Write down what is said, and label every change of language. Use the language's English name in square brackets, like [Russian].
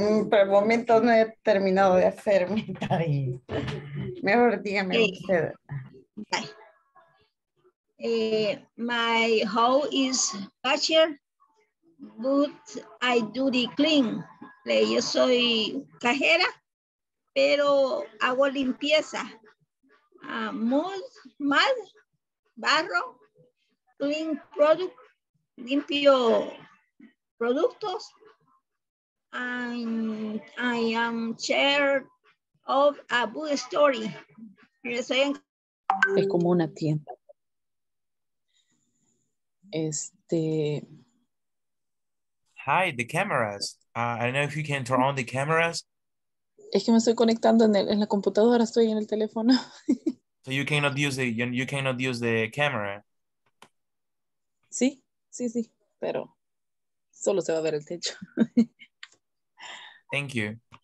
[Spanish] Por el momento no he terminado de hacer mi tarea. Mejor dígame usted. Okay. [English] My house is bachelor, but I do the clean. [Spanish] Yo soy cajera, pero hago limpieza. Mud, mal, barro, [English] clean product, [Spanish] limpio productos. [English] I am chair of a bookstore. [Spanish] Es como una tienda. [English] Hi, the cameras. I don't know if you can turn on the cameras. [Spanish] Es que me estoy conectando en la computadora, estoy en el teléfono. [English] So you cannot use the camera. [Spanish] Sí, sí, sí, pero solo se va a ver el techo. [English] Thank you.